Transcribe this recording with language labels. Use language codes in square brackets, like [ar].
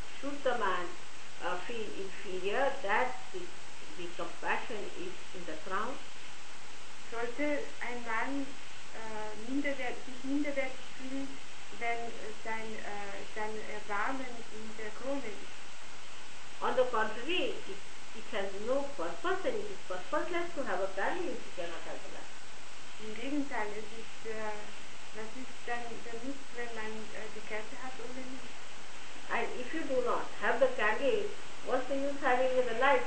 [en] Should the man feel inferior that the compassion is in the crown? [de] Sollte ein Mann sich minderwertig fühlen, wenn sein Erbarmen in der Krone ist? [en] On the contrary, it has no purpose, and it is purposeless to have a candle if you cannot have a light. [de] Im Gegenteil, es ist, was ist dann der Nutzen, wenn man die Kerze hat ohne Licht? [en] And if you do not have the candle, what's the use having the light?